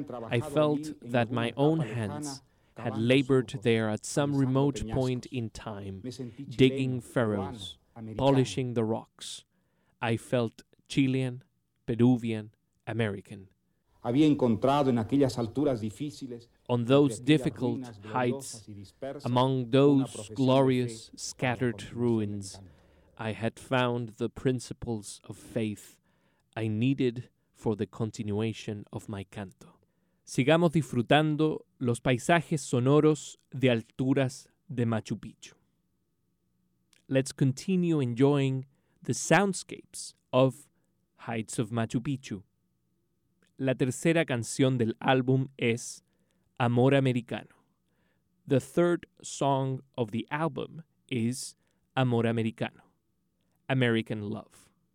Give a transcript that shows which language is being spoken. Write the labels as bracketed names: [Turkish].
[English] I felt that my own hands had labored there at some remote point in time, digging furrows, polishing the rocks. I felt Chilean, Peruvian, American. [Spanish] Había encontrado en aquellas alturas difíciles, [English] on those difficult heights, among those glorious scattered ruins, I had found the principles of faith I needed for the continuation of my canto. [Spanish] Sigamos disfrutando los paisajes sonoros de alturas de Machu Picchu. [English] Let's continue enjoying the soundscapes of Heights of Machu Picchu. [Spanish] La tercera canción del álbum es Amor Americano. [English] The third song of the album is Amor Americano, American Love.